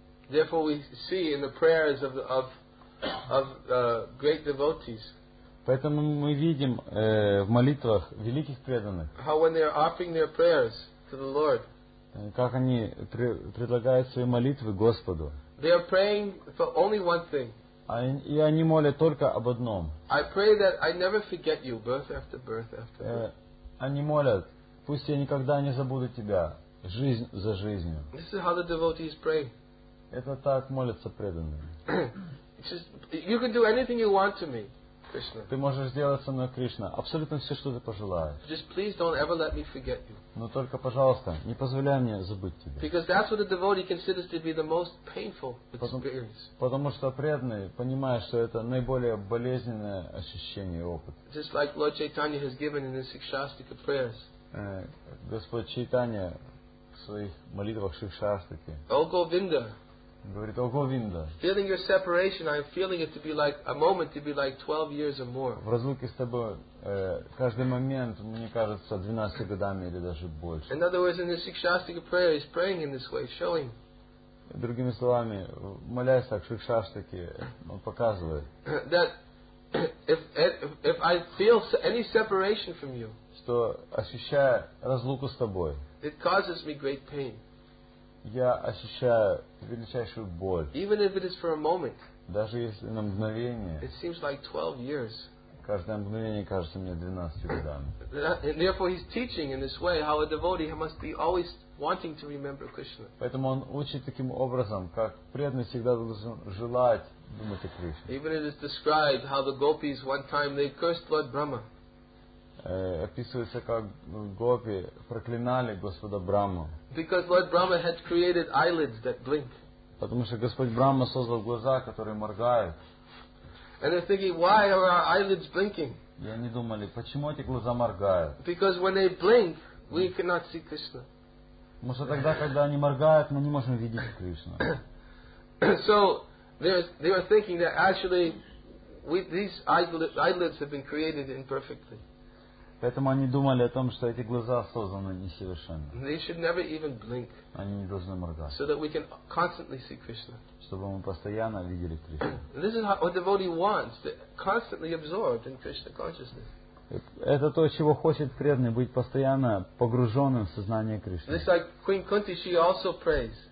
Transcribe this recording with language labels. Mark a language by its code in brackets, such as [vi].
[en] Therefore, we see in the prayers of great devotees. [ru] Поэтому мы видим в молитвах великих преданных. [en] How when they are offering their prayers to the Lord. [ru] Как они предлагают свои молитвы Господу. [en] They are praying for only one thing. [ru] И они молят только об одном. [en] I pray that I never forget you, birth after birth after birth. [ru] Они молят, пусть я никогда не забуду тебя, жизнь за жизнью. [en] This is how the devotees pray. [ru] Это так молятся преданные. [en] You can do anything you want to me. Krishna. [ru] Ты можешь сделать со мной Кришна абсолютно все, что ты пожелаешь. [en] Just please don't ever let me forget you. [ru] Но только, пожалуйста, не позволяй мне забыть тебя. [en] Because that's what a devotee considers to be the most painful experience. [ru] Потому что преданный понимает, что это наиболее болезненное ощущение и опыт. [en] Just like Lord Chaitanya has given in his Shikshastika prayers. [ru] Господь Чайтанья в своих молитвах Шикшастике. О Говинда. Говорит, о Говинда. [en] Feeling your separation, I'm feeling it to be like a moment to be like 12 years or more. [ru] В разлуке с тобой каждый момент мне кажется 12 годами или даже больше. [en] In other words, in his Shikshastika prayer, he's praying in this way, showing. [ru] Другими словами, молясь так Шикшастике, он показывает. [en] That if I feel any separation from you. [ru] Что, ощущая разлуку с тобой, [en] it causes me great pain. [ru] Я ощущаю величайшую боль. [en] Even if it is for a moment, [ru] даже если на мгновение, [en] it seems like 12 years. [ru] Каждое мгновение кажется мне 12 годами. [en] And therefore he's teaching in this way how a devotee must be always wanting to remember Krishna. [ru] Поэтому он учит таким образом, как преданный всегда должен желать думать о Кришне. [en] Even it is described how the gopis one time they cursed Lord Brahma. [ru] Описывается, как гопи проклинали Господа Брахму. [en] Because Lord Brahma had created eyelids that blink. [ru] Потому что Господь Брахма создал глаза, которые моргают. [en] And they're thinking, why are our eyelids blinking? [ru] И они думали, почему эти глаза моргают? [en] Because when they blink, we cannot see Krishna. [ru] Потому что тогда, когда они моргают, мы не можем видеть Кришну. [en] So they were thinking that actually these eyelids have been created imperfectly. [ru] Поэтому они думали о том, что эти глаза созданы несовершенно. [en] They should never even blink. [ru] Они не должны моргать. [en] So that we can constantly see Krishna. [ru] Чтобы мы постоянно видели Кришну. [en] This is what a devotee wants, to constantly absorbed in Krishna consciousness. [ru] Это то, чего хочет преданный, быть постоянно погруженным в сознание Кришны. [en] This is like Queen Kunti, she also prays.